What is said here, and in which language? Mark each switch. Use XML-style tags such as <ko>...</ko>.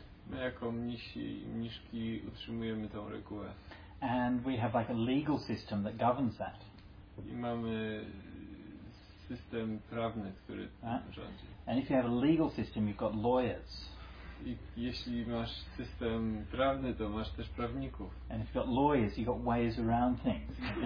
<pl>My jako mnisi i mniszki utrzymujemy tą regułę.</pl> <en>And we have like a legal system that governs that.</en> <pl>I mamy system prawny, który rządzi.</pl> <en>And if you have a legal system, you've got lawyers.</en> <pl>I jeśli masz system prawny, to masz też prawników.</pl> <en>And if you've got lawyers, you've got ways around things.</en>